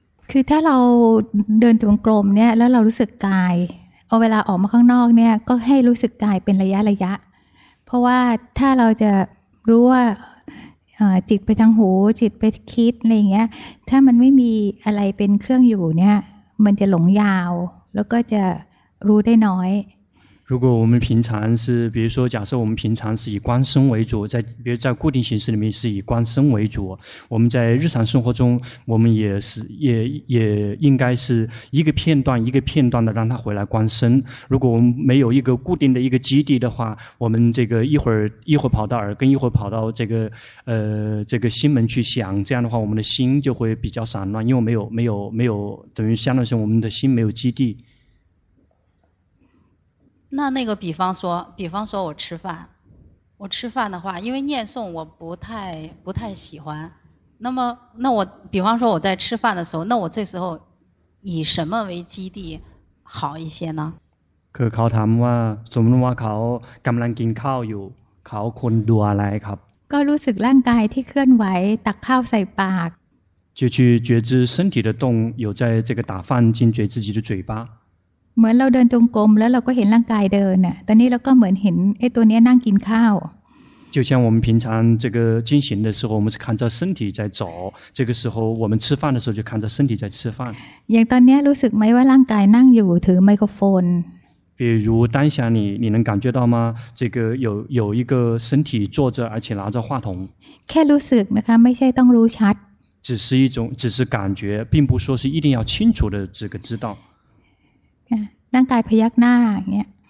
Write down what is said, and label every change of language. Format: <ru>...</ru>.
<th>คือถ้าเราเดินจงกรมเนี่ยแล้วเรารู้สึกกายเอาเวลาออกมาข้างนอกเนี่ยก็ให้รู้สึกกายเป็นระยะเพราะว่าถ้าเราจะรู้ว่าจิตไปทางหูจิตไปคิดอะไรอย่างเงี้ยถ้ามันไม่มีอะไรเป็นเครื่องอยู่เนี่ยมันจะหลงยาวแล้วก็จะรู้ได้น้อย</th> <zh>如果我们平常是比如说假设我们平常是以观身为主在比如在固定形式里面是以观身为主我们在日常生活中我们也是也应该是一个片段一个片段的让它回来观身如果我们没有一个固定的一个基地的话我们这个一会儿跑到耳根一会儿跑到这个心门去想这样的话我们的心就会比较散乱因为没有等于相当于我们的心没有基地那个比方说我吃饭的话因为念诵我不太喜欢那么那我比方说我在吃饭的时候那我这时候以什么为基地好一些呢</zh> <th>คือเขาถามว่าสมมติว่าเขากำลังกินข้าวอยู่เขาควรดูอะไรครับ ก็รู้สึกร่างกายที่เคลื่อนไหวตักข้าวใส่ปาก</th> <zh>就去觉知身体的动有在这个打饭进觉自己的嘴巴</zh> <th>เหมือนเราเดินจงกรมแล้วเราก็เห็นร่างกายเดินน่ะตอนนี้เราก็เหมือนเห็นไอ้ตัวนี้นั่งกินข้าว</th> <zh>就像我们平常这个进行的时候我们是看着身体在走这个时候我们吃饭的时候就看着身体在吃饭</zh> <th>อย่างตอนนี้รู้สึกไหมว่าร่างกายนั่งอยู่ถือไมโครโฟน</th> <zh>比如当下你能感觉到吗这个有一个身体坐着而且拿着话筒</zh> <th>แค่รู้สึกนะคะไม่ใช่ต้องรู้ชัด</th> <zh>只是感觉并不说是一定要清楚的这个知道</zh> <th>ร่างกายพยักหน้าอย่างเงี้ย</th>